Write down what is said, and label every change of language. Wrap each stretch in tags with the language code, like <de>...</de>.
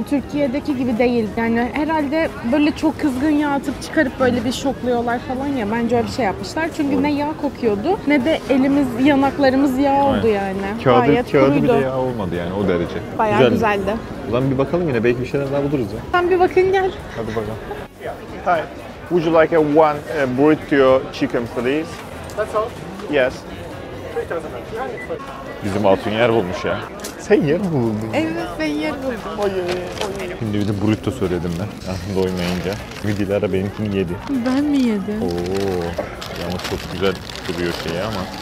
<tr>Türkiye'deki gibi değil. Yani herhalde böyle çok kızgın yağ atıp çıkarıp böyle bir şokluyorlar falan ya. Bence öyle bir şey yapmışlar. Çünkü ne yağ kokuyordu ne de elimiz, yanaklarımız yağ oldu yani. Kağıdı, gayet kağıdı bile yağ olmadı yani o derece. Bayağı güzeldi. Güzeldi. Ulan bir bakalım yine. Belki bir şeyler daha buluruz ya. Sen bir bakın gel. Hadi bakalım.</tr> <en>Hi. Would you like a burrito chicken, please? That's all? Yes.</en> <tr>Bizim altın yer bulmuş ya. Sen yer mi buldun? Evet, ben yer buldum. Hayır. Şimdi bir de burrito söyledim ben. Doymayınca. Midilara benimkini yedi. Ben mi yedim? Oo. Ama çok güzel duruyor şeyi ama.</tr>